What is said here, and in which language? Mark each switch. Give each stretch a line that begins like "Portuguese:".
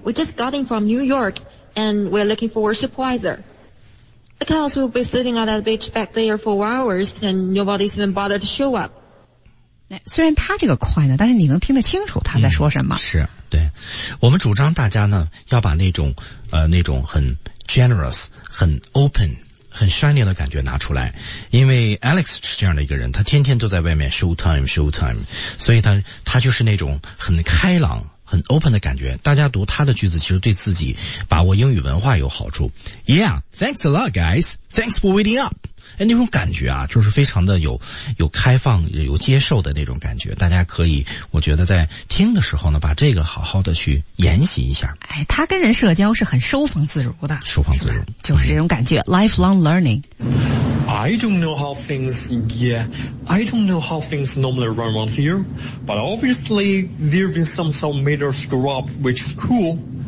English: We just got in from New York, and we're looking for a supervisor. Because we'll be sitting on that beach back there for hours, and nobody's even bothered to show up.
Chinese: 虽然他这个快呢，但是你能听得清楚他在说什么。是，对。我们主张大家呢要把那种很 generous, 很 open, 很 shiny 的感觉拿出来。因为 Alex 是这样的一个人，他天天都在外面 showtime, 所以他就是那种很开朗很 open 的感觉。大家读他的句子其实对自己把握英语文化有好处。
English: Yeah, thanks a lot, guys. Thanks for waiting up.
Chinese: 那种感觉啊，就是非常的有开放有接受的那种感觉。大家可以，我觉得在听的时候呢，把这个好好的去研习一下。哎，他跟人社交是很收放自如的，收放自如，就是这种感觉。
English: Lifelong learning. I don't know how things. Yeah, I don't know how things normally run around here, but obviously there've been some major screw up, which is cool.